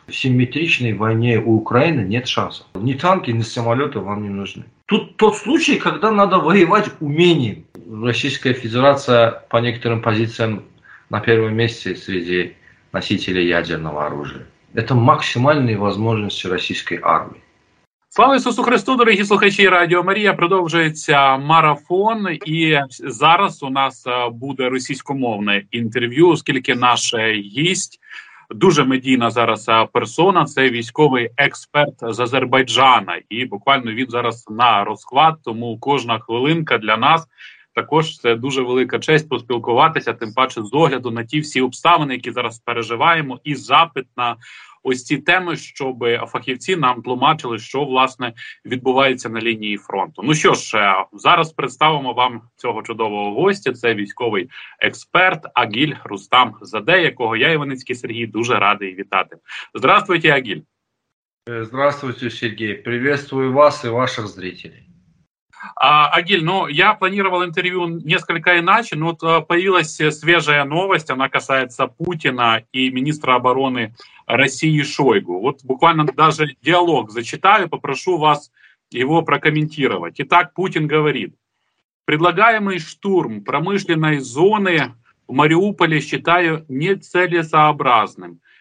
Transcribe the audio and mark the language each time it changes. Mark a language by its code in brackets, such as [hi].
[ru] В симметричной войне у Украины нет шансов. Ни танки, ни самолеты вам не нужны. Тут тот случай, когда надо воевать умением. Российская Федерация по некоторым позициям на первом месте среди носителей ядерного оружия. Это максимальные возможности российской армии. [uk] Слава Ісусу Христу, дорогі слухачі Радіо Марія. Продовжується марафон, і зараз у нас буде російськомовне інтерв'ю, оскільки наш гість дуже медійна зараз персона, це військовий експерт з Азербайджана. І буквально він зараз на розхват, тому кожна хвилинка для нас також це дуже велика честь поспілкуватися, тим паче з огляду на ті всі обставини, які зараз переживаємо, і запит на ось ці теми, щоб фахівці нам тлумачили, що, власне, відбувається на лінії фронту. Ну що ж, зараз представимо вам цього чудового гостя. Це військовий експерт Агіль Рустам Заде, якого я, Іваницький Сергій, дуже радий вітати. [ru] Здравствуйте, Агіль. Здравствуйте, Сергій. [uk] Привітаю вас і ваших зрителей. [ru] Агіль, ну, я планировал интервью несколько иначе, но вот появилась свежая новость, она касается Путина и министра обороны России Шойгу. Вот буквально даже диалог зачитаю, попрошу вас его прокомментировать. Итак, Путин говорит: «Предлагаемый штурм промышленной зоны в Мариуполе считаю нецелесообразным.